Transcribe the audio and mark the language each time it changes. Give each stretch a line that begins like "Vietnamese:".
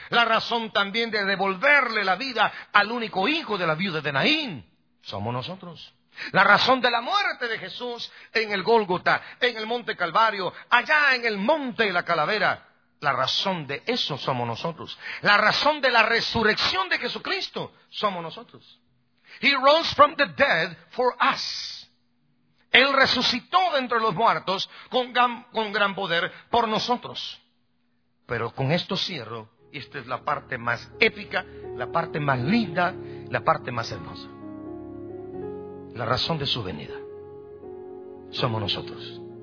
Spanish: La razón también de devolverle la vida al único hijo de la viuda de Naín somos nosotros. La razón de la muerte de Jesús en el Gólgota, en el monte Calvario, allá en el monte de la calavera. La razón de eso somos nosotros. La razón de la resurrección de Jesucristo somos nosotros.
English: He rose from the dead for us.
Spanish: Él resucitó de entre los muertos con gran poder por nosotros. Pero con esto cierro, y esta es la parte más épica, la parte más linda, la parte más hermosa. La razón de su venida somos nosotros.